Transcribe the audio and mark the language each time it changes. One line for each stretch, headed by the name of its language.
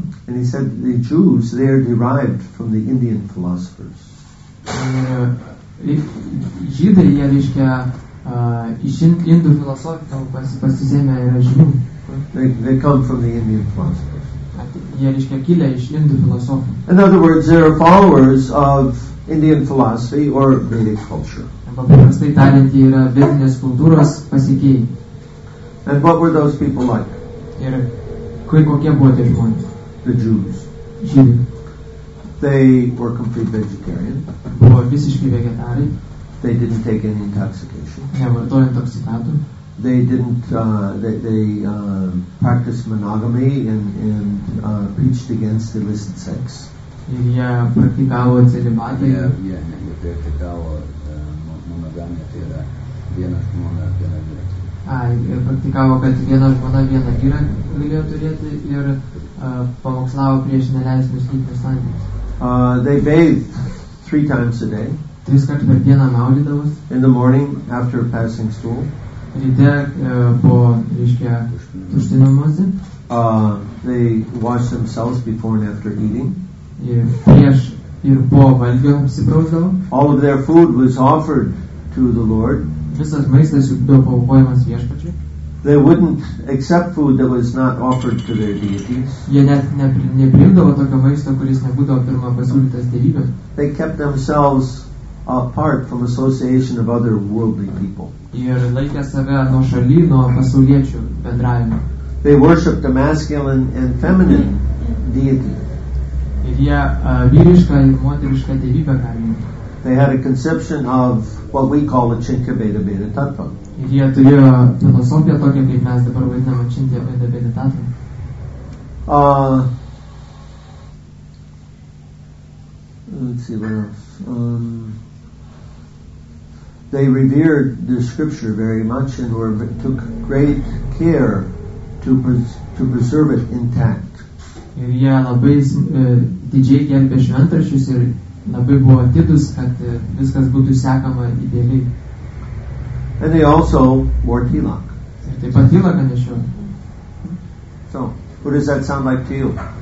English: And he said, the Jews, they are derived from the Indian philosophers.
Lithuanian: Žydai, jie, reiškia, iš indų filosofijų pasisėmė yra žinių.
English: They come from the Indian philosophers.
Lithuanian: Jie, reiškia, kilę iš indų filosofų.
English: In other words, they are followers of Indian philosophy or Vedic culture.
Lithuanian: Paprastai tariant, jie yra vedinės kultūros pasiekėjai.
English: And what were those people like?
Lithuanian: Ir kokie buvo tie žmonės?
English: The Jews.
Lithuanian: Žydai.
English: They were complete vegetarian.
Lithuanian: Buvo visiškai vegetarai.
English: They didn't take any intoxication.
Lithuanian: Nevartojo intoksikantų.
English: They didn't. They practiced monogamy and preached against illicit sex.
Lithuanian: Ir jie praktikavo celibatą. Jie nepraktikavo monogamiją, tai yra viena žmona, viena vyra. Jie praktikavo, kad viena žmona, viena vyra galėjo turėti ir pamokslavo prieš neleistinus lytinius santykius.
English: They bathed 3 times a day.
Lithuanian: Tris kartų per dieną maudydavos.
English: In the morning, after passing stool.
Lithuanian: Ryte po, reiškia, tuštinimosi.
English: They washed themselves before and after eating.
Lithuanian: Ir prieš ir po valgio apsiprausdavo.
English: All of their food was offered to the Lord.
Lithuanian: Visas maistas buvo paaukojamas viešpačiui.
English: They wouldn't accept food that was not offered to their deities.
Lithuanian: Jie net nepriimdavo tokio maisto, kuris nebūdavo pirma pasiūlytas dievybės.
English: They kept themselves apart from association of other worldly people.
Lithuanian: Ir laikė save nuo šalyje, nuo pasauliečių bendravimo.
English: They worshipped the masculine and feminine deity.
Lithuanian: Ir jie vyrišką ir moterišką dievybę garbino.
English: They had a conception of what we call a Chintya Veda Beda Tattva.
Lithuanian: Ir jie turėjo filosofiją tokią, kaip mes dabar vadinam Chintya Veda Beda Tattva.
English: Let's see what else. They revered the scripture very much and took great care to preserve it intact.
Lithuanian: Ir jie labai didžiai gerbė šventraščius ir labai buvo atidus, kad viskas būtų sekama idealiai.
English: And they also wore tilak.
Lithuanian: Ir taip pat tilaką nešiojo.
English: So, what does that sound like to you?